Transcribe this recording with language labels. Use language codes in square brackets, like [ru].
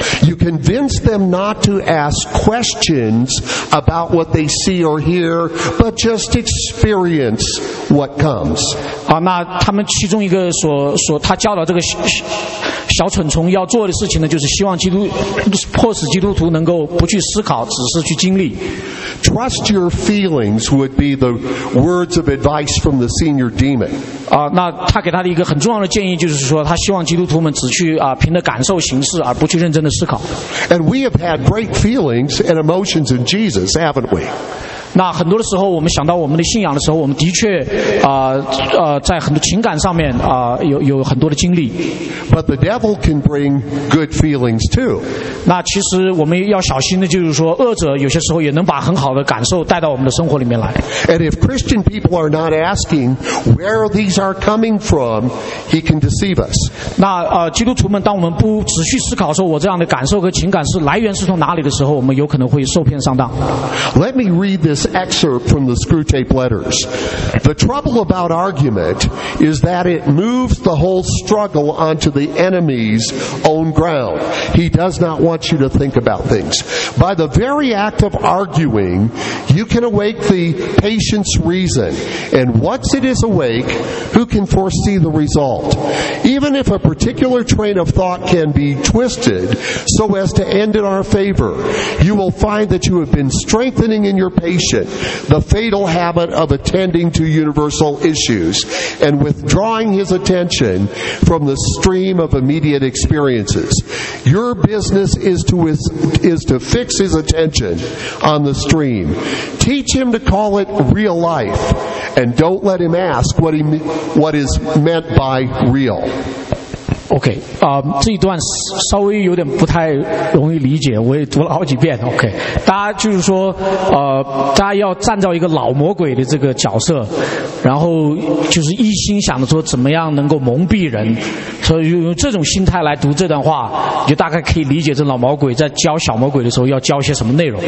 [en] You convince them not to ask questions about what they see or hear, but just experience what comes. [zh] 那他们其中一个所他教导这个小蠢虫要做的事情呢，就是希望基督迫使基督徒能够不去思考，只是去经历。 [en] Trust your feelings would be the words of advice from the senior demon. [zh] 那他给他的一个很重要的建议就是说，他希望基督徒们只去凭着感受行事，而不去认真的思考。 [en] And we have had great feelings and emotions in Jesus, haven't we? [zh] 那很多的时候我们想到我们的信仰的时候，我们的确在很多情感上面有很多的经历。 [en] But the devil can bring good feelings too. [zh] 那其实我们要小心的就是说，恶者有些时候也能把很好的感受带到我们的生活里面来。 [en] And if Christian people are not asking where these are coming from, he can deceive us. [zh] 那基督徒们，当我们不仔细思考说我这样的感受和情感是来源是从哪里的时候，我们有可能会受骗上当。 [en] Let me read this excerpt from the Screwtape Letters. The trouble about argument is that it moves the whole struggle onto the enemy's own ground. He does not want you to think about things. By the very act of arguing, you can awake the patient's reason. And once it is awake, who can foresee the result? Even if a particular train of thought can be twisted so as to end in our favor, you will find that you have been strengthening in your patient the fatal habit of attending to universal issues and withdrawing his attention from the stream of immediate experiences. Your business is to fix his attention on the stream. Teach him to call it real life and don't let him ask what is meant by real. [zh] OK, 这一段稍微有点不太容易理解，我也读了好几遍。 OK, 大家就是说大家要站在一个老魔鬼的这个角色，然后就是一心想着说怎么样能够蒙蔽人，所以用这种心态来读这段话，你就大概可以理解这老魔鬼在教小魔鬼的时候要教些什么内容。